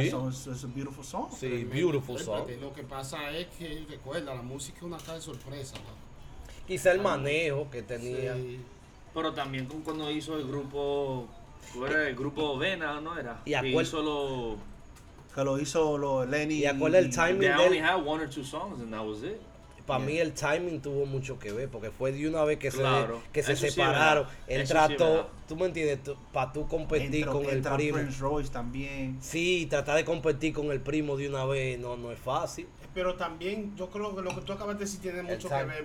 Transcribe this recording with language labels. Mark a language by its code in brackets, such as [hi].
[en] It's a beautiful song. Sí, beautiful song. [es] Lo que pasa es que, recuerda, la música es una cara de sorpresa. Quizá el manejo que tenía. Sí. Pero también cuando hizo el grupo, era el grupo Vena, ¿no era? Y hizo lo... Que lo hizo Lenny. Y acuerda el timing. [en] They only had one or two songs and that was it. [es] Para mí el timing tuvo mucho que ver, porque fue de una vez que se separaron. Sí, él trató, sí, tú me entiendes, para tú competir con el primo. Prince Royce también. Sí, tratar de competir con el primo de una vez no es fácil. Pero también yo creo que lo que tú acabas de decir tiene mucho que ver.